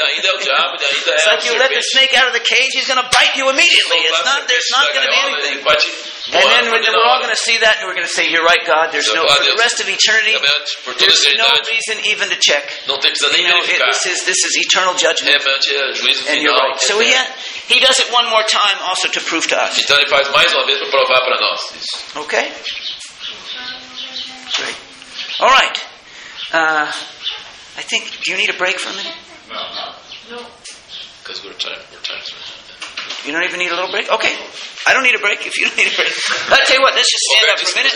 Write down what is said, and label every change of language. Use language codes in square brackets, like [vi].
[en] It's like you let the snake out of the cage, he's going to bite you immediately. It's not, there's not going to be anything. And then we're all going to see that, and we're going to say, you're right, God, there's no, for the rest of eternity, there's no reason even to check. You know, this is eternal judgment, and you're right. So he does it one more time also to prove to us. [pt] Então ele faz mais uma vez para provar para nós. [en] Okay. Great. All right. I think, do you need a break for a minute? No. Because we're tired. You don't even need a little break? Okay. I don't need a break if you don't need a break. I'll tell you what, let's just stand up for a minute.